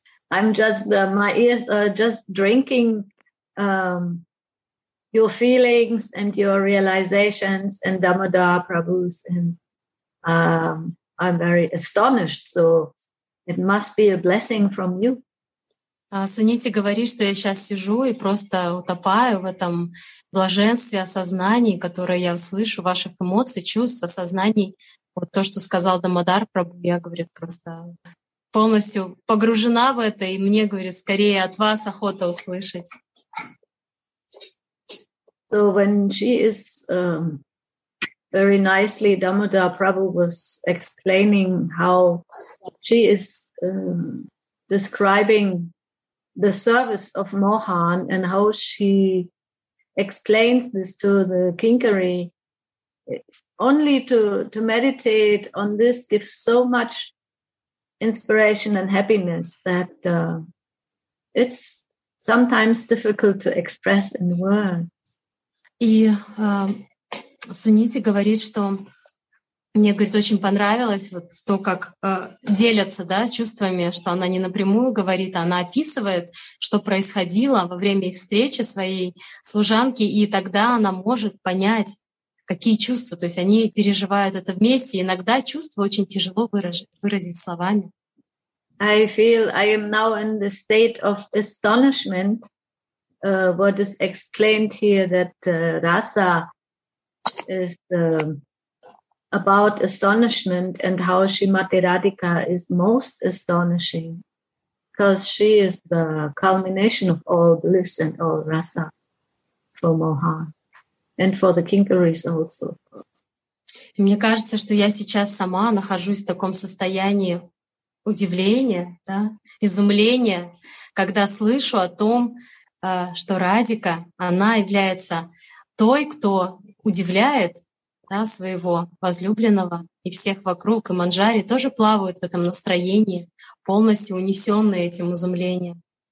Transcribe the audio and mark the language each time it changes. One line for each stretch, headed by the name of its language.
English: I'm just, my ears are just drinking your feelings and your realizations and Damodar Prabhu's, and I'm very astonished. So it must be a blessing from you.
Russian: Суните говорит, что я сейчас сижу и просто утопаю в этом блаженстве осознаний, которое я слышу, ваших эмоций, чувств, осознаний. Вот то, что сказал Дамодар Прабху, я, говорит, просто полностью погружена в это, и мне, говорит, скорее от вас охота услышать.
English: So when she is very nicely, Dhammadhar Prabhu was explaining how she is describing the service of Mohan and how she explains this to the Kinkari. Only to meditate on this gives so much inspiration and happiness that it's sometimes difficult to express in words.
Russian: И Суните говорит, что мне, говорит, очень понравилось вот то, как делятся, да, чувствами, что она не напрямую говорит, а она описывает, что происходило во время их встречи своей служанки, и тогда она может понять, какие чувства, то есть они переживают это вместе. Иногда чувства очень тяжело выразить словами.
English: I feel I am now in the state of astonishment, what is explained here, that rasa is about astonishment and how Srimati Radhika is most astonishing because she is the culmination of all bliss and all rasa for Mohan and for the Kinkaris also, of course.
Russian: Мне кажется, что я сейчас сама нахожусь в таком состоянии удивления, да, изумления, когда слышу о том, что Радика, она является той, кто удивляет, да, своего возлюбленного и всех вокруг, и Манджари тоже плавают в этом настроении, полностью унесённые этим изумлением.